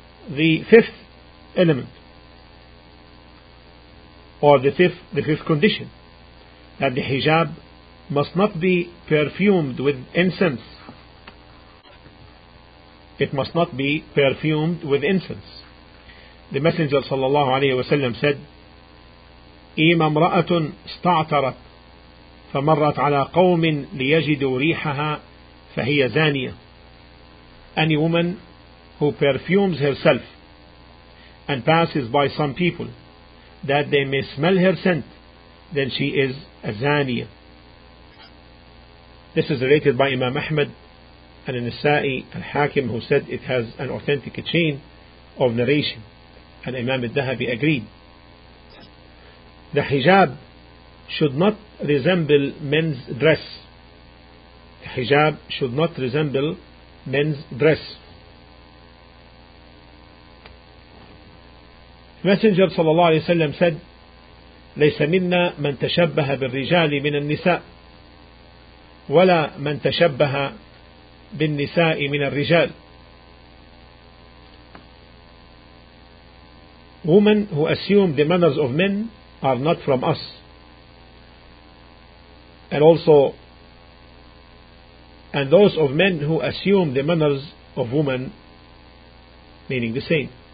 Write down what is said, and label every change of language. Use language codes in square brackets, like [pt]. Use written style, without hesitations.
[en] The fifth element, or the fifth condition, that the hijab must not be perfumed with incense. It must not be perfumed with incense. The Messenger sallallahu alayhi wa sallam said, [ar] إِمَ امْرَأَةٌ اسْتَعْتَرَتْ فَمَرَّتْ عَلَىٰ قَوْمٍ لِيَجِدُوا رِيحَهَا فَهِيَ زَانِيَةٌ. [en] Any woman who perfumes herself and passes by some people that they may smell her scent, then she is a zaniya. This is related by Imam Ahmad and An-Nisa'i al-Hakim, who said it has an authentic chain of narration, and Imam al-Dahabi agreed. The hijab should not resemble men's dress. The hijab should not resemble men's dress. Messenger sallallahu alayhi wa sallam said, [ar] لَيْسَ مِنَّا مَنْ تَشَبَّهَ بِالرِّجَالِ مِنَ النِّسَاءِ وَلَا مَنْ تَشَبَّهَ بِالنِّسَاءِ مِنَ الرِّجَالِ. [en] Women who assume the manners of men are not from us. And those of men who assume the manners of women, meaning the same.